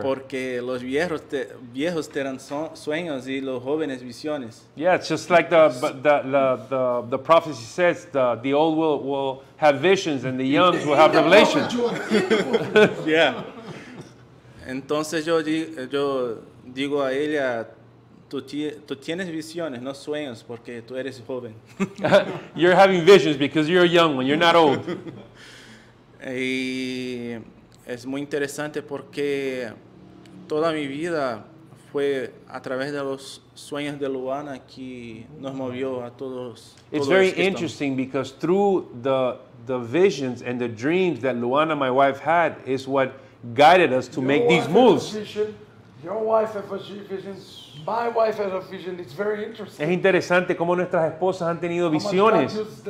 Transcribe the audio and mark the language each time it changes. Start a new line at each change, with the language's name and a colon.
Spanish: Porque los viejos viejos tenían sueños y los jóvenes visiones.
English: Yeah, it's just like the prophecy says, the old will have visions and the young will have revelations. Yeah.
Spanish: Entonces yo digo a ella, tú tienes visiones, no sueños, porque tú eres joven.
English: You're having visions because you're a young one, you're not old.
Spanish: Y es muy interesante porque toda mi vida fue a través de los sueños de Luana que nos movió a todos.
English: It's very interesting because through the visions and the dreams that Luana, my wife, had is what guided us to make these moves. Your wife has a vision. My wife has a vision. It's very interesting.
Spanish: Es interesante cómo nuestras esposas han tenido visiones.